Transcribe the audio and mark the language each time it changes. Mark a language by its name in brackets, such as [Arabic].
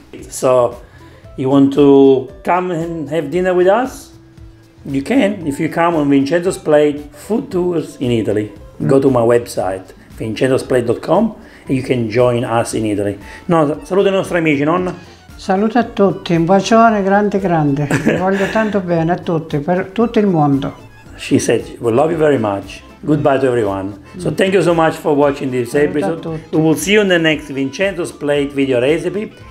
[English] So, you want to come and have dinner with us? You can if you come on Vincenzo's Plate Food Tours in Italy. Go to my website, vincenzosplate.com, and you can join us in Italy. [Italian] No, saluto ai nostri amici, nonna. Saluto a tutti, un bacione grande grande. Voglio tanto bene a tutti, per tutto il mondo. [English] She said, we love you very much. Goodbye to everyone. So thank you so much for watching this episode. We will see you in the next Vincenzo's Plate video recipe.